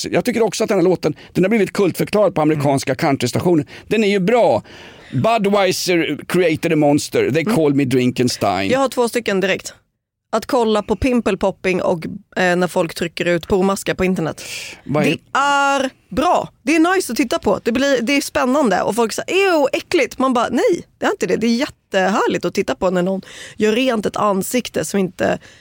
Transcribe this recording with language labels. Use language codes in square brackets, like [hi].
[sv] Jag tycker också att den här låten, den har blivit kultförklarad på amerikanska countrystationer. Den är ju bra. [en] Budweiser created a monster. They call me Drinkenstein. [sv] Jag har två stycken direkt. Att kolla på pimple popping och när folk trycker ut pormaskar på internet. Det är bra. Det är nice att titta på. Det är spännande. Och folk säger, ew, äckligt. Man bara, nej, det är inte det. Det är jättehärligt att titta på när någon gör rent ett ansikte som inte